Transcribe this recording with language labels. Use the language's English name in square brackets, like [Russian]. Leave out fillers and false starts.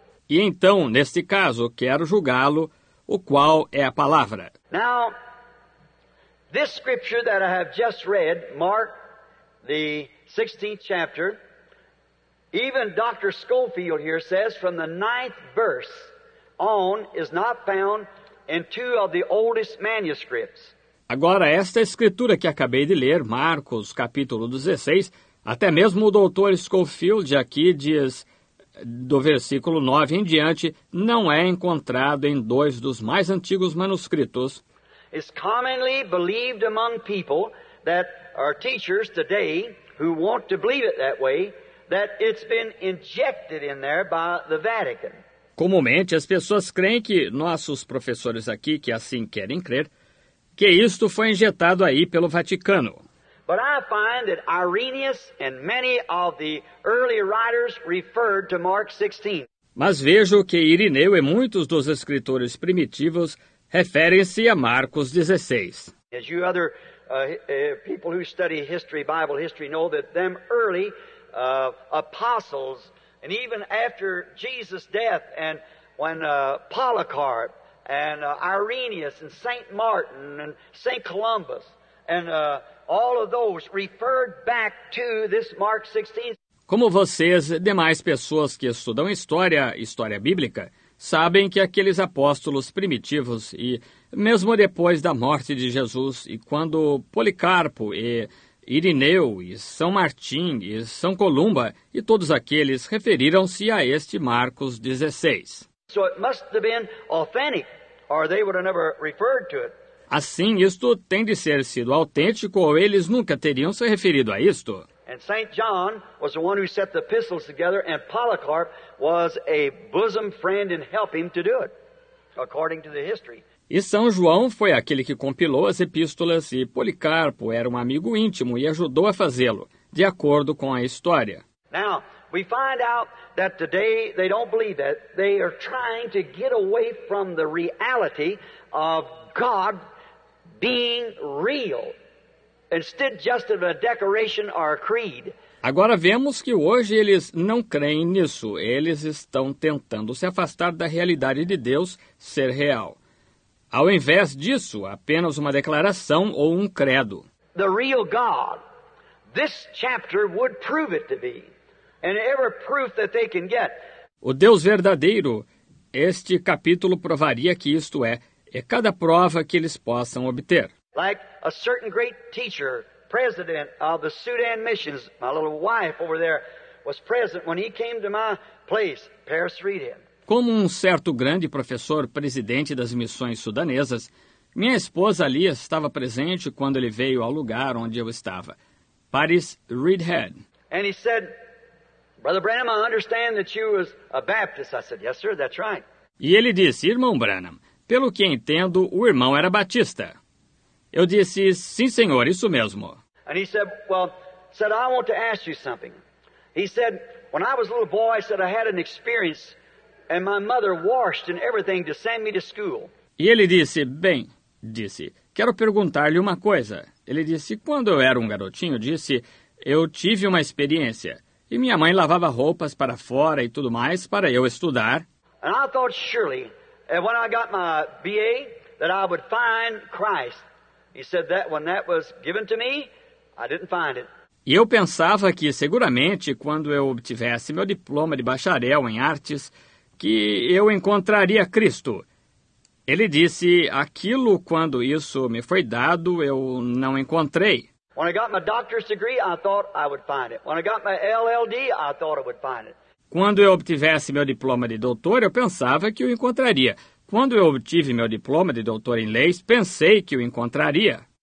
[Portuguese] E então, neste caso, quero julgá-lo, o qual é a palavra. [English] Now, this scripture that I have just read, Mark, the 16th chapter, even Dr. Schofield here says, from the 9th verse on, is not found in two of the oldest manuscripts. [Portuguese] Agora, esta escritura que acabei de ler, Marcos, capítulo 16, até mesmo o Dr. Schofield aqui diz, do versículo 9 em diante, não é encontrado em dois dos mais antigos manuscritos. [English] It's commonly believed among people that are teachers today who want to believe it that way, that it's been injected in there by the Vatican. [Portuguese] Comumente, as pessoas creem que nossos professores aqui, que assim querem crer, que isto foi injetado aí pelo Vaticano. [English] But I find that Irenaeus and many of the early writers referred to Mark 16. [Portuguese] Mas vejo que Irineu e muitos dos escritores primitivos referem-se a Marcos 16. [English] As you other people who study history, Bible history, know that them early apostles, and even after Jesus' death, and when Polycarp, and Irenaeus, and St. Martin, and St. Columbus, and all of those referred back to this Mark 16. [Portuguese] Como vocês, demais pessoas que estudam história, história bíblica, sabem que aqueles apóstolos primitivos, e mesmo depois da morte de Jesus, e quando Policarpo e Irineu e São Martim e São Columba e todos aqueles referiram-se a este Marcos 16. [English] So it must have been authentic, or they would have never referred to it. [Portuguese] Assim, isto tem de ser sido autêntico ou eles nunca teriam se referido a isto. [English] And St. John was the one who set the epistles together, and Polycarp was a bosom friend and helped him to do it, according to the history. [Portuguese] E São João foi aquele que compilou as epístolas, e Policarpo era um amigo íntimo e ajudou a fazê-lo, de acordo com a história. [English] Now, we find out that today they don't believe that. They are trying to get away from the reality of God being real, instead just of a decoration or a creed. [Portuguese] Agora vemos que hoje eles não creem nisso. Eles estão tentando se afastar da realidade de Deus ser real. Ao invés disso, apenas uma declaração ou um credo. [English] The real God, this chapter would prove it to be, and every proof that they can get. [Portuguese] O Deus verdadeiro, este capítulo provaria que isto é, e cada prova que eles possam obter. [English] Like a certain great teacher, president of the Sudan missions, my little wife over there was present when he came to my place, Paris Reading. [Portuguese] Como um certo grande professor, presidente das missões sudanesas, minha esposa ali estava presente quando ele veio ao lugar onde eu estava, Paris Reedhead. [English] And he said, Brother Branham, I understand that you was a Baptist. I said, yes, sir, that's right. [Portuguese] E ele disse, irmão Branham, pelo que entendo, o irmão era batista. Eu disse, sim, senhor, isso mesmo. [English] And he said, well, said, I want to ask you something. He said, when I was a little boy, I said, I had an experience, and my mother washed and everything to send me to school. [Portuguese] E ele disse, bem, disse, quero perguntar-lhe uma coisa. Ele disse, quando eu era um garotinho, disse, eu tive uma experiência, e minha mãe lavava roupas para fora e tudo mais para eu estudar. [English] And I thought, surely, when I got my BA, that I would find Christ. He said that when that was given to me, I didn't find it. [Portuguese] E eu pensava que, seguramente, quando eu obtivesse meu diploma de bacharel em artes, que eu encontraria Cristo. Ele disse, aquilo, quando isso me foi dado, eu não encontrei. [English] When I got my doctor's degree, I thought I would find it. When I got my LLD, I thought I would find it. [Portuguese] Quando eu obtivesse meu diploma de doutor, eu pensava que o encontraria. Quando eu obtive meu diploma de doutor em leis, pensei que o encontraria.